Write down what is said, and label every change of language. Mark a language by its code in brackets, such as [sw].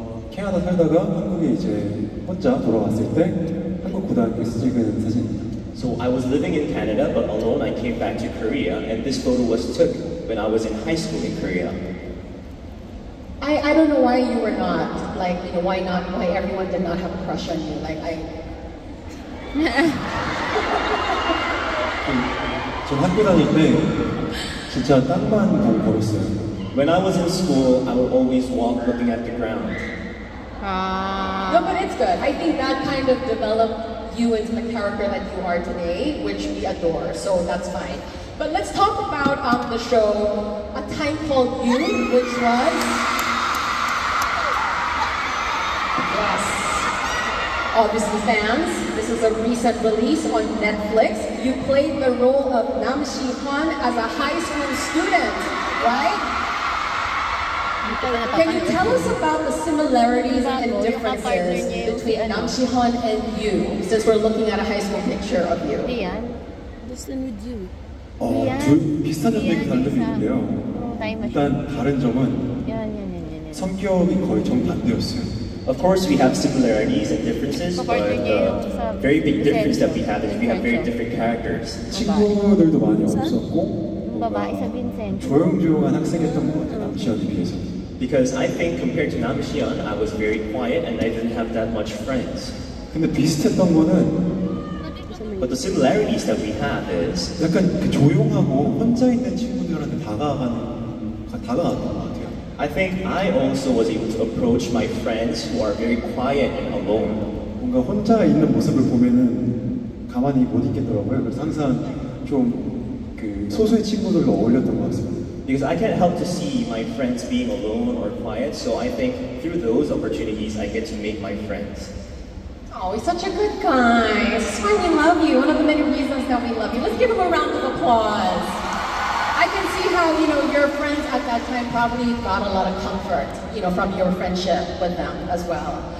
[ko] 캐나다 살다가 한국에 이제 혼자 돌아왔을 때 한국 고등학교에서 찍은 사진입니다. [en] So I was living in Canada, but alone I came back to Korea, and this photo was took when I was in high school in Korea. I don't know why you were not, like, you know, why not, why everyone did not have a crush on you, like, I... 전 학교 다닐 때 진짜 땅만 보고 걸었어요. When I was in school, I would always walk looking at the ground. No, but it's good. I think that kind of developed you into the character that you are today, which we adore, so that's fine. But let's talk about the show, A Time Called You, which was... Yes. Obviously fans, this is a recent release on Netflix. You played the role of Nam Shi Hwan as a high school student, right? Can you tell us about the similarities and differences between Nam Shi Hwan and you, since we're looking at a high school picture of you? Yeah, listen with you. [ko] 두 비슷한 점들이 다른 점인데요. 일단 다른 점은 성격이 거의 정반대였어요. [en] Of course, we have similarities and differences, but the very big difference that we have is we have very different characters. [ko] 친구들도 많이 없었고, 조용조용한 학생이었던 것 같아요, 남시현에 비해서. [en] Because I think compared to Nam Shi Hwan, I was very quiet and I didn't have that much friends. [ko] 근데 비슷했던 거는 [en] But the similarities that we have is [ko] 약간 그 조용하고 혼자 있는 친구들한테 다가갔던 것 같아요. [en] I think I also was able to approach my friends who are very quiet and alone. [ko] 뭔가 혼자 있는 모습을 보면은 가만히 못 있겠더라고요. 그래서 항상 좀 그 소수의 친구들로 어울렸던 것 같습니다. [en] Because I can't help to see my friends being alone or quiet, so I think through those opportunities, I get to make my friends. Oh, he's such a good guy. This is why we love you. One of the many reasons that we love you. Let's give him a round of applause. I can see how, you know, your friends at that time probably got a lot of comfort, you know, from your friendship with them as well.